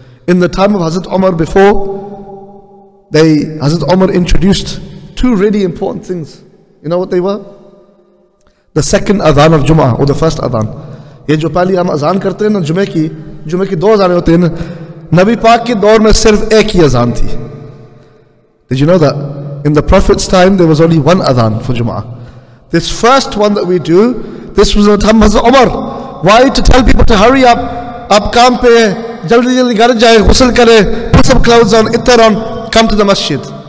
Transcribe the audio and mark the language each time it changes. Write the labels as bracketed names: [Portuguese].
[English] In the time of Hazrat Umar before, Hazrat Umar introduced two really important things. You know what they were? The second adhan of Jum'ah or the first adhan. [Urdu] یہ جو پہلی ہم اذان کرتے ہیں نا جمعہ کی دو اذانیں ہوتے ہیں نا. نبی پاک کے دور میں صرف ایک ہی اذان تھی. [English] Did you know that? In the Prophet's time, there was only one adhan for Jum'ah. This first one that we do, this was in the time of Hazrat Umar. Why? To tell people to hurry up. [Urdu] Ab kaam pe hai, jaldi jaldi ghar jaye, ghusl kare, [English] put some clothes on, itar on, come to the masjid.